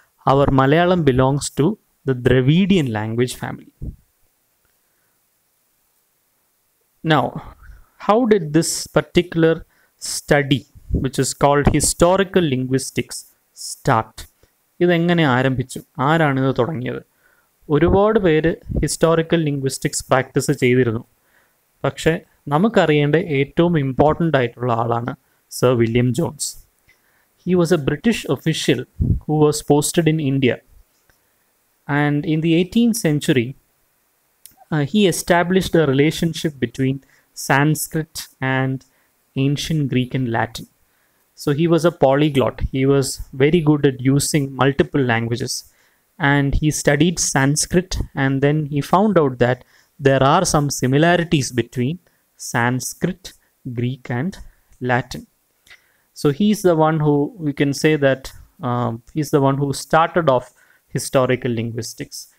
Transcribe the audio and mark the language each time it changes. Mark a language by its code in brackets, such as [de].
[en] Our Malayalam belongs to the Dravidian language family. Now, how did this particular study, which is called historical linguistics, start? [ml] Idu engane aarambichu? Aarana idu thodangiyathu? ഒരുപാട് പേര് historical linguistics practice ചെയ്തിരുന്നു. പക്ഷേ നമുക്കറിയേണ്ട ഏറ്റവും important ആയിട്ടുള്ള ആളാണ് sir William Jones. [en] He was a British official who was posted in India. And in the 18th century he established a relationship between Sanskrit and ancient Greek and Latin. So he was a polyglot. He was very good at using multiple languages. And he studied Sanskrit, and then he found out that there are some similarities between Sanskrit, Greek and Latin. So he is the one who, we can say that he is the one who started off historical linguistics.